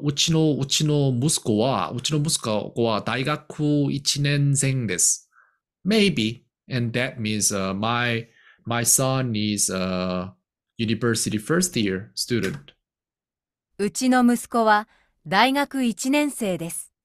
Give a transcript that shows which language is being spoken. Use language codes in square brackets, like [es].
[ja] うちの息子は大学 1年生 です. [en] Maybe, and that means my son is a university first year student. [ja] うちの息子は大学1年生です.